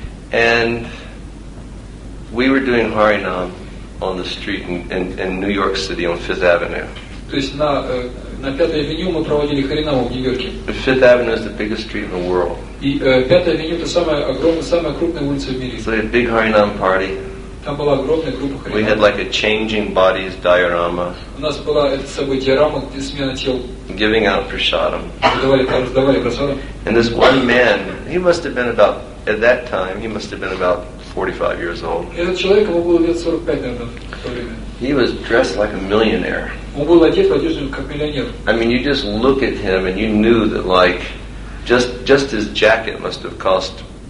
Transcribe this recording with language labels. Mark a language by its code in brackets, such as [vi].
[en] And we were doing Harinam on the street in New York City on Fifth Avenue. [ru] На Пятой Авеню мы проводили Харинаму в Нью-Йорке. [en] Fifth Avenue is the biggest street in the world. [ru] И Пятая Авеню это самая огромная, самая крупная улица в мире. [en] So we had a big Harinam party. [ru] Там была огромная группа Харинам. [en] We had like a changing bodies diorama. [ru] У нас была это собой диорама, где смена тел. [en] Giving out prasadam. [ru] Раздавали прасадам. [en] And this one man, he must have been about at that time, he must have been about 45 years old. [ru] Этот человек ему было лет 45, наверное, в то время. [en] He was dressed like a millionaire. I mean, you just look at him and you knew that, like, just his jacket must have cost